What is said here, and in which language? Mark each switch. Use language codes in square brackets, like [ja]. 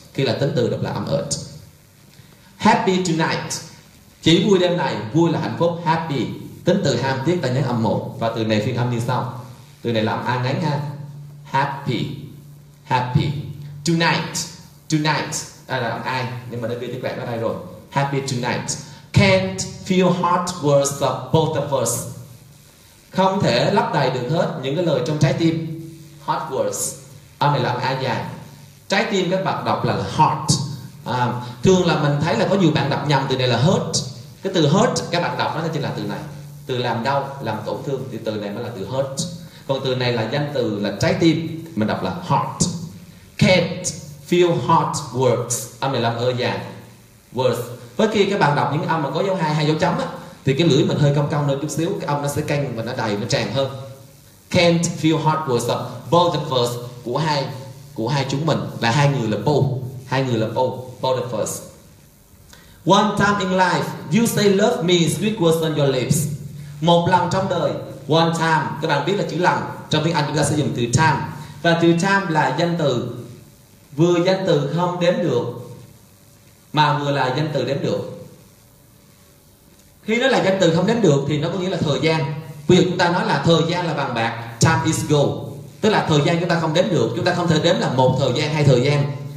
[vi] Khi là tính từ đọc là âm ert. [en] Happy tonight. [vi] Chỉ vui đêm này, vui là hạnh phúc, happy. Tính từ ham tiếc ta nhấn âm một. Và từ này phiên âm như sau. Từ này là âm A ngắn ha. Happy. Happy. Tonight. Tonight. Đây là âm A. Nhưng mà đã viết tiếng quẹt ở đây rồi. [en] Happy tonight. Can't feel heart words of both of us. [vi] Không thể lấp đầy được hết những cái lời trong trái tim. [en] Heart words. [vi] Âm này là âm A dài. Trái tim các bạn đọc là heart. Thường là mình thấy là có nhiều bạn đọc nhầm từ này là hurt. Cái từ hurt các bạn đọc nó chính là từ này. Từ làm đau, làm tổn thương thì từ này mới là từ hurt. Còn từ này là danh từ là trái tim, mình đọc là heart. [en] Can't feel heart words. [vi] Âm này là âm ơ dài. Words. Với khi các bạn đọc những âm mà có dấu hai hay dấu chấm á, thì cái lưỡi mình hơi cong cong lên chút xíu, cái âm nó sẽ căng và nó đầy, nó tràn hơn. [en] Can't feel hard words of both of us, [vi] của hai chúng mình, là hai người là both. Hai người là both, [en] both of us. One time in life, you say love me sweet words on your lips. [vi] Một lần trong đời, [en] one time, [vi] các bạn biết là chữ lần, trong tiếng Anh chúng ta sẽ dùng từ time. Và từ time là danh từ, vừa danh từ không đếm được, mà vừa là danh từ đếm được. Khi nó là danh từ không đếm được thì nó có nghĩa là thời gian. Ví dụ chúng ta nói là thời gian là vàng bạc, [en] time is gold, [vi] tức là thời gian chúng ta không đếm được, chúng ta không thể đếm là một thời gian, hai thời gian.